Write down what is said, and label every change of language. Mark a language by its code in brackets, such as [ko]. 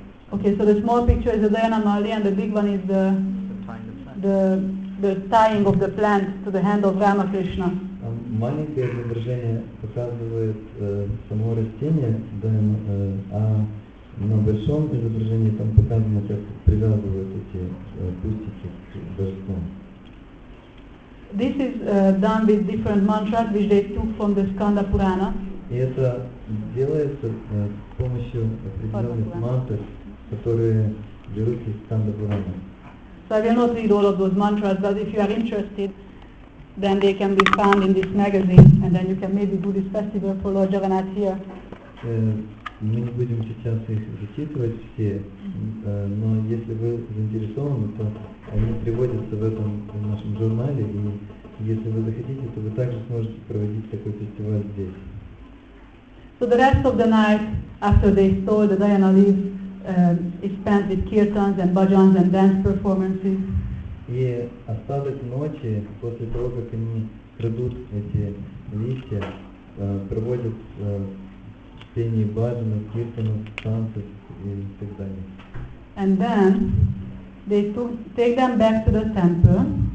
[en] Okay, so the small picture is the Dayana Mali and the big one is the tying of the plant to the hand of Ramakrishna. [ru] Маленькое изображение показывает само растение, а на большом изображении там показано, как привязывают эти кустики к божеству. [en] This is done with different mantras which they took from the Skanda Purana. [ru] И это делается с помощью определенных мантр, которые берутся из Сканда Пурана. [en] So I will not read all of those mantras, but if you are interested, then they can be found in this magazine, and then you can maybe do this festival for Lord Jagannath here. [ru] Мы не будем сейчас их зачитывать все, но если вы заинтересованы, то они приводятся в этом нашем журнале, и если вы захотите, то вы также сможете проводить такой фестиваль здесь. [en] So the rest of the night, after they stole the Dayana leaves, is spent with kirtans and bhajans and dance performances. [ru] И остаток ночи после того, как они крадут эти листья, проводят пение бхаджан, киртанов, танцы и так далее. [en] And then they take them back to the temple.